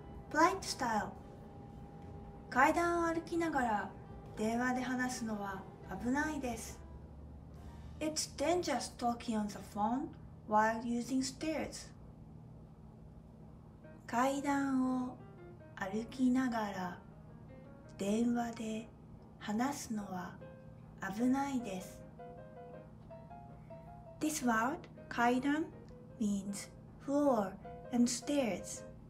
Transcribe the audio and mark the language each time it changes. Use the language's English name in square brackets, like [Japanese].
[English] ポライトスタイル。 [Japanese] 階段を歩きながら電話で話すのは危ないです。 [English] It's dangerous talking on the phone while using stairs. [Japanese] 階段を歩きながら電話で話すのは危ないです。 [English] This word, 階段, means floor and stairs.